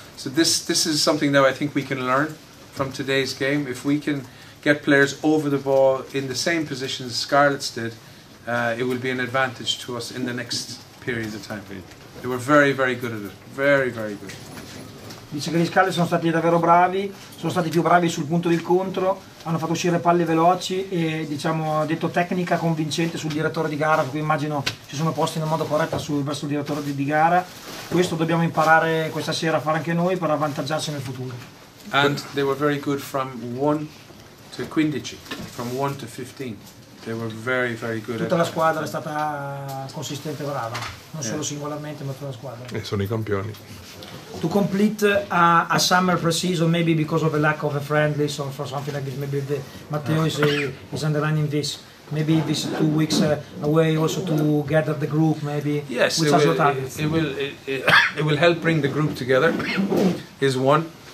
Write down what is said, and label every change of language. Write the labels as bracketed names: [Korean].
[English] So this is something that I think we can learn from today's game. If we can get players over the ball in the same position as Scarlets did, it will be an advantage to us in the next period of time. They were very, very good at it. Very, very good. [Italian] Dice che gli Scarlets sono stati davvero bravi, sono stati più bravi sul punto d'incontro, hanno fatto uscire palle veloci e, diciamo, ha detto tecnica convincente sul direttore di gara, qui immagino si sono posti in modo corretto verso il direttore di gara. Questo dobbiamo imparare questa sera a fare anche noi per avvantaggiarci nel futuro. [English] And they were very good from 1 to 15, from 1 to 15. They were very, very good. [Italian] Tutta la squadra è stata consistente e brava, non solo singolarmente, ma tutta la squadra. E sono i campioni. [English] To complete a summer pre-season, maybe because of the lack of a friendly, so for something like this, maybe the Matteo is underlining this. Maybe these 2 weeks away also to gather the group, maybe. Yes, it will help bring the group together, is one.